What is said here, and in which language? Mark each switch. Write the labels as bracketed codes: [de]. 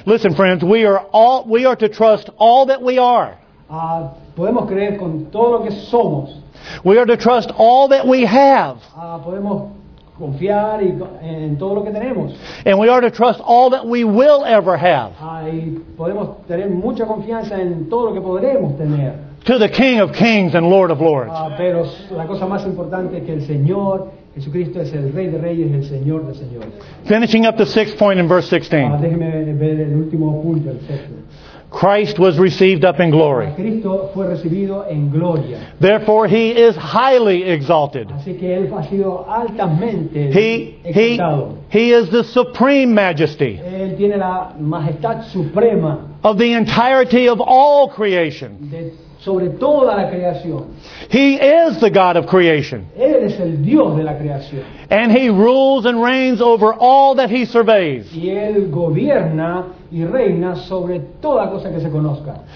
[en] Listen, friends, we are to trust all that we are. [es] Podemos creer con todo lo que somos. [en] We are to trust all that we have. [es] Confiar en todo lo que tenemos. [en] And we are to trust all that we will ever have. [es] Podemos tener mucha confianza en todo lo que podremos tener. [en] To the King of Kings and Lord of Lords. [es] Pero la cosa más importante es que el Señor Jesucristo es el Rey de Reyes y el Señor de Señores. [en] Finishing up the sixth point in verse 16. [es] Déjeme ver el último punto, el sexto. [en] Christ was received up in glory. [es] Cristo fue recibido en gloria. [en] Therefore, he is highly exalted. [es] Así que él ha sido altamente exaltado. [en] He is the supreme majesty. [es] Él tiene la majestad suprema. [en] Of the entirety of all creation. [es] Sobre toda la creación. [en] He is the God of creation. [es] Él es el Dios de la creación. [en] And he rules and reigns over all that he surveys. [es] Y él gobierna y reina sobre toda cosa que se conozca.